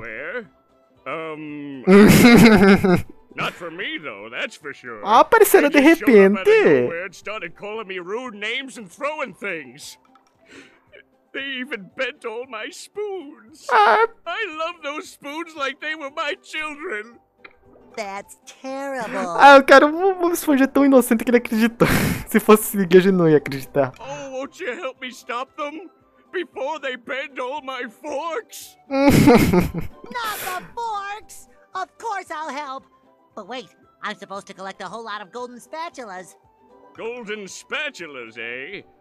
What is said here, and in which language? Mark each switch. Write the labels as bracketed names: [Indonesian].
[English] Where? Not for me, though, that's for sure. [Portuguese] Ah, apareceram de repente. [English] They started calling me rude names and throwing things. They even bent all my spoons. I love those spoons like they were my children. That's terrible. [Portuguese] Ah, eu quero um esponja tão inocente que ele acreditou. Se fosse seguir, a gente não ia acreditar. [English] Oh, won't you help me stop them before they bend all my forks? Not the forks! Of course I'll help. But wait, I'm supposed to collect a whole lot of golden spatulas. Golden spatulas, eh?